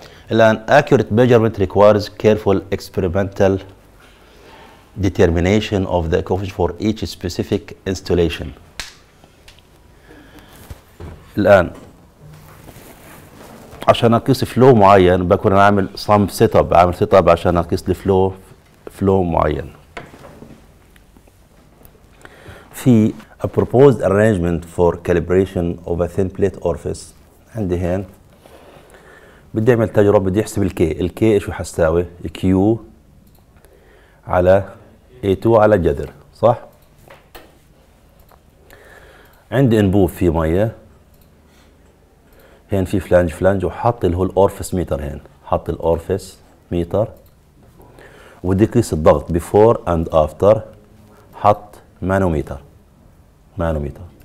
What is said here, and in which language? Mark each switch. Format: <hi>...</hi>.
<en>الآن accurate measurement requires careful experimental determination of the coefficient for each specific installation.</en> <ar>الآن عشان أقيس flow معين بكون أعمل some setup، أعمل setup عشان أقيس flow معين.</ar> <en>في a proposed arrangement for calibration of a thin plate orifice.</en> <ar>عندي هين بدي اعمل تجربه، بدي احسب الكي، الكي ايش حساوي؟ كيو على اي 2 على الجذر، صح؟ عندي انبوب في ميه، هين في فلانج فلانج، وحط اللي هو الاورفيس ميتر، هين حط الاورفيس ميتر، وبدي اقيس الضغط بيفور اند افتر، حط مانوميتر، مانوميتر.</ar>